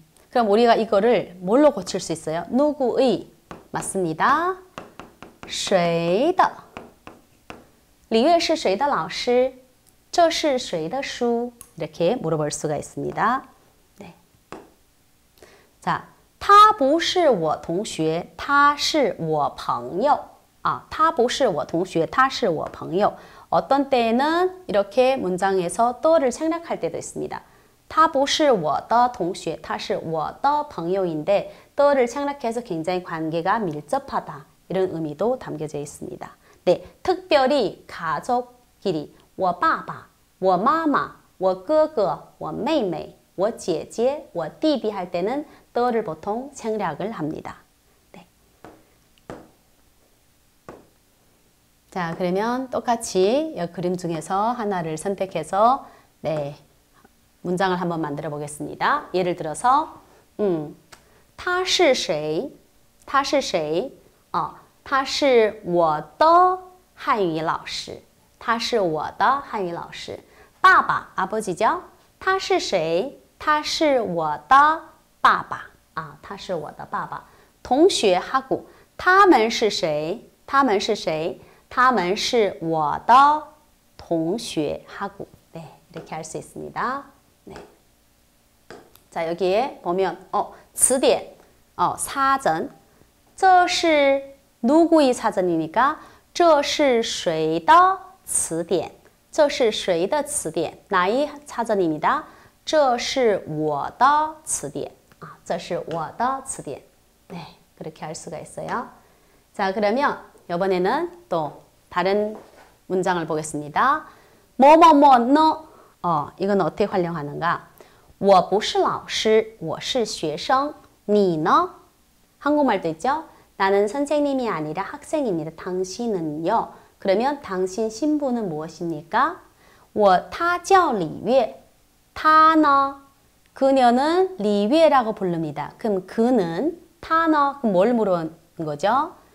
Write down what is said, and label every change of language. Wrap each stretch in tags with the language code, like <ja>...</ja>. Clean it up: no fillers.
<ko>그럼 우리가 이거를 뭘로 고칠 수 있어요? 누구의 맞습니다. 谁的.</ko> <zh>李月是谁的老师?这是谁的书?</zh> <ko>이렇게 물어볼 수가 있습니다. 네.</ko> <zh>자, 他不是我同学, 他是我朋友. 아, 他不是我同学, 他是我朋友.</zh> <ko>어떤 때는 이렇게 문장에서 또를 생략할 때도 있습니다.</ko> <zh>他不是我的同学, 他是我的朋友</zh> <ko>인데 또를 생략해서 굉장히 관계가 밀접하다. 이런 의미도 담겨져 있습니다. 네, 특별히 가족끼리,</ko> <zh>我爸爸, 我妈妈, 我哥哥,我妹妹,我姐姐,我弟弟</zh> <ko>할 때는 的를 보통 생략을 합니다. 네. 자, 그러면 똑같이 이 그림 중에서 하나를 선택해서 네, 문장을 한번 만들어 보겠습니다. 예를 들어서</ko> <zh>他是谁?他是谁?他是我的汉语老师.他是我的汉语老师. 爸爸,</zh> <ko>아버지죠?</ko> <zh>他是谁?他是我的爸爸. 아, 他是我的爸爸. 同学하고, 他们是谁? 他们是谁? 他们是我的同学</zh> <ko>하고. 네, 이렇게 할 수 있습니다. 네. 자, 여기에 보면, 词典, 사전.</ko> <zh>这是</zh> <ko>누구의 사전입니까?</ko> <zh>这是谁的词典?这是谁的词典?</zh> <ko>나의 사전입니다.</ko> <zh>这是我的词典. 아, 这是我的词典.</zh> <ko>네, 그렇게 할 수가 있어요. 자, 그러면 이번에는 또 다른 문장을 보겠습니다. 뭐뭐뭐너 이건 어떻게 활용하는가?</ko> <zh>我不是老师,我是学生,你呢?</zh> <ko>한국말도 있죠? 나는 선생님이 아니라 학생입니다. 당신은요? 그러면 당신 신분은 무엇입니까?</ko> <zh>我他叫李月他呢</zh> <ko>그녀는 리위에라고 부릅니다. 그럼 그는 타너 뭘 물은 거죠?</ko>